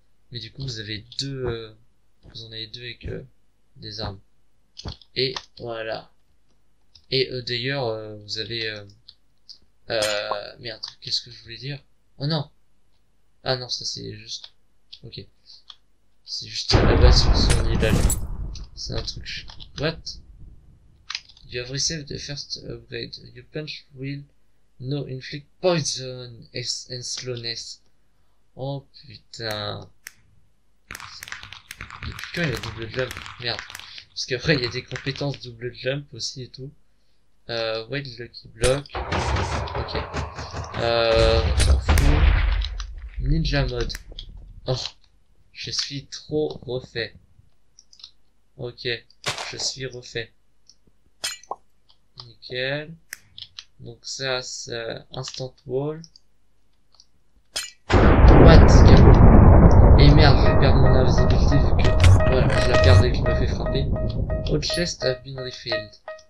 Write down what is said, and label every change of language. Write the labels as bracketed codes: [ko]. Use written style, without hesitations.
[fr] Mais du coup, vous avez deux, vous en avez deux avec des armes. Et voilà. Et d'ailleurs, vous avez. Merde, qu'est-ce que je voulais dire? Oh non! Ah non, ça c'est juste. Ok. C'est juste à la base sur son île à lui. C'est un truc. [en] What? You have received the first upgrade. Your punch will now inflict poison and slowness. [fr] Oh putain. Depuis quand il y a double jump? Merde. Parce qu'après il y a des compétences double jump aussi et tout. Wild Lucky Block. Ok. On s'en fout. Ninja mode. Oh. Je suis trop refait. Ok, je suis refait. Nickel. Donc ça, c'est instant wall. [en] What? [fr] Et merde, je vais perdre mon invisibilité vu que voilà, je la perds dès que je me fais frapper. [en] All chests have been refilled.